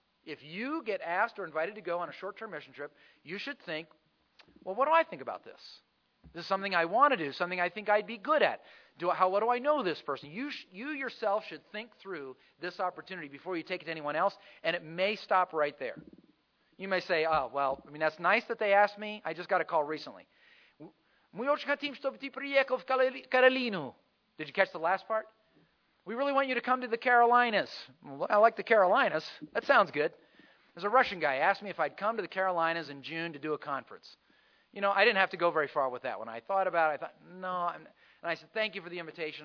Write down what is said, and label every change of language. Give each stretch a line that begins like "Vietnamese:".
English: If you get asked or invited to go on a short-term mission trip, you should think, well, what do I think about this? This is something I want to do, something I think I'd be good at. What do I know this person? You yourself should think through this opportunity before you take it to anyone else, and it may stop right there. You may say, oh, well, I mean, that's nice that they asked me. I just got a call recently.
Russian: Мы очень хотим, чтобы ты приехал в Каролину.
English: Did you catch the last part? We really want you to come to the Carolinas. Well, I like the Carolinas. That sounds good. There's a Russian guy asked me if I'd come to the Carolinas in June to do a conference. You know, I didn't have to go very far with that one. I thought about it. I thought, no. And I said, thank you for the invitation.